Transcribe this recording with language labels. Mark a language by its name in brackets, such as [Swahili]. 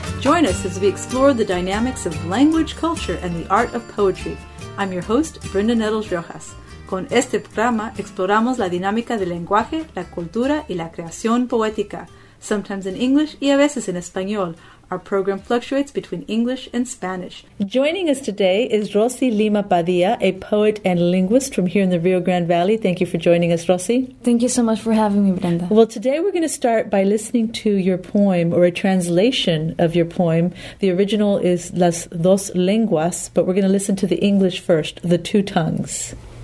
[English] Join us as we explore the dynamics of language, culture, and the art of poetry. I'm your host, Brenda Nettles Rojas. [Spanish] Con este programa, exploramos la dinámica del lenguaje, la cultura y la creación poética, [English] sometimes in English [Spanish] y a veces en español. [English] Our program fluctuates between English and Spanish. Joining us today is Rosy Lima Padilla, a poet and linguist from here in the Rio Grande Valley. Thank you for joining us, Rosy. Thank you so much for having me, Brenda. Well, today we're going to start by listening to your poem, or a translation of your poem. The original is Las Dos Lenguas, but we're going to listen to the English first, The Two Tongues.